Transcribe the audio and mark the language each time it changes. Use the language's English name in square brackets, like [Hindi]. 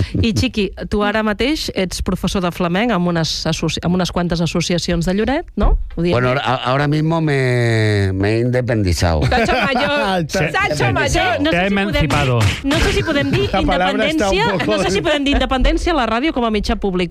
[Catalan] I Xiqui, tu ara mateix ets professor de flamenc amb unes quantes associacions de Lloret, no? [Spanish] Bueno, ahora mismo me he independizado. Sancho Mayor. [Catalan] No sé si podem dir independència. No sé si podem dir independència a la ràdio com a mitjà públic.